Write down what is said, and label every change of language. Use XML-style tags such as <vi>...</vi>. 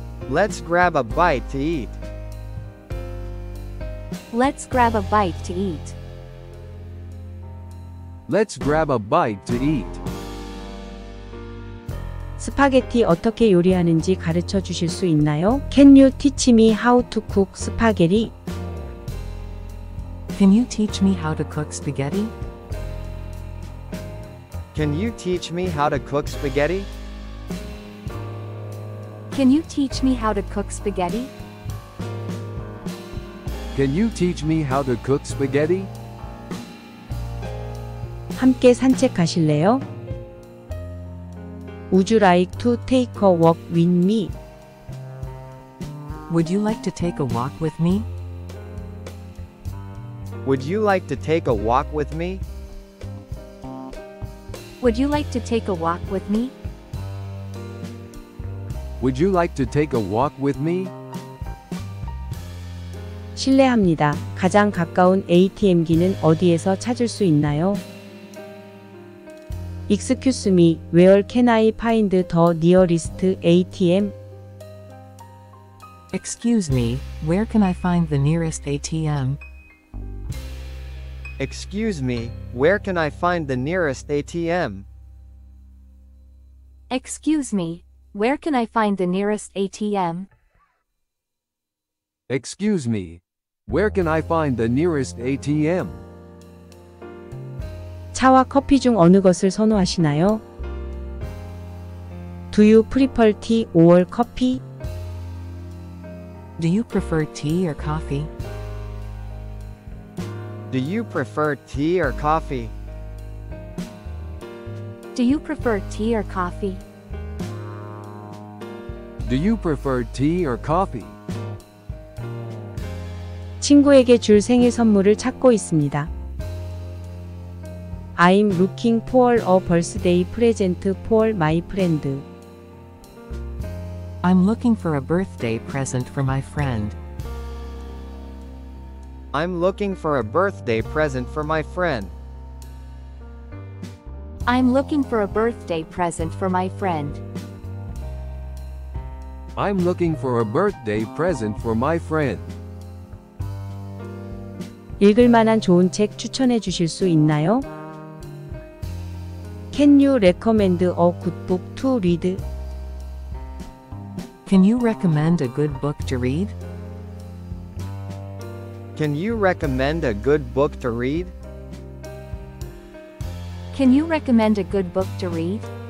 <en>Let's grab a bite to eat. Let's grab a bite to eat. Let's grab a bite to eat.</en> <ko>스파게티 어떻게 요리하는지 가르쳐 주실 수 있나요?</ko> <en>Can you teach me how to cook spaghetti? Can you teach me how to cook spaghetti? Can you teach me how to cook spaghetti? Can you teach me how to cook spaghetti? Can you teach me how to cook spaghetti?</en> <ko>함께 산책 가실래요?</ko> <en>Would you like to take a walk with me? Would you like to take a walk with me? Would you like to take a walk with me? Would you like to take a walk with me? Would you like to take a walk with me?</en> <ko>실례합니다. 가장 가까운 ATM기는 어디에서 찾을 수 있나요?</ko> <en>Excuse me, where can I find the nearest ATM? Excuse me, where can I find the nearest ATM? Excuse me, where can I find the nearest ATM? Excuse me, where can I find the nearest ATM? Excuse me, where can I find the nearest ATM?</en> <ko>차와 커피 중 어느 것을 선호하시나요?</ko> <en>Do you prefer tea or coffee? Do you prefer tea or coffee? Do you prefer tea or coffee? Do you prefer tea or coffee? Do you prefer tea or coffee?</en> <ko>친구에게 줄 생일 선물을 찾고 있습니다.</ko> <en>I'm looking for a birthday present for my friend. I'm looking for a birthday present for my friend. I'm looking for a birthday present for my friend. I'm looking for a birthday present for my friend. I'm looking for a birthday present for my friend.</en> <ko>읽을 만한 좋은 책 추천해 주실 수 있나요?</ko> <en>Can you recommend a good book to read? Can you recommend a good book to read? Can you recommend a good book to read? Can you recommend a good book to read?</en>